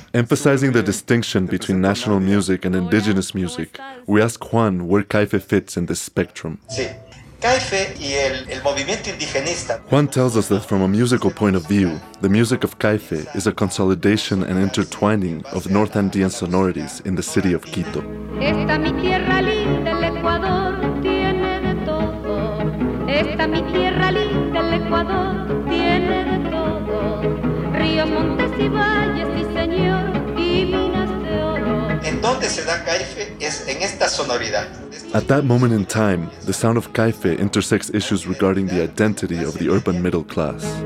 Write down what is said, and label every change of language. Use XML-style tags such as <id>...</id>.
<en>Emphasizing the distinction between national music and indigenous music, we ask Juan where Caife fits in this spectrum.</en> <es>Sí. Caife y el movimiento indigenista.</es> <en>Juan tells us that from a musical point of view, the music of Caife is a consolidation and intertwining of North Andean sonorities in the city of Quito.</en> <es>Esta mi tierra linda, el Ecuador, tiene de todo. Esta mi tierra linda, el Ecuador, tiene de todo. Ríos, montes y valles, sí señor, y minas de oro. ¿En dónde se da Caife? Es en esta sonoridad.</es> <en>At that moment in time, the sound of Caife intersects issues regarding the identity of the urban middle class.</en>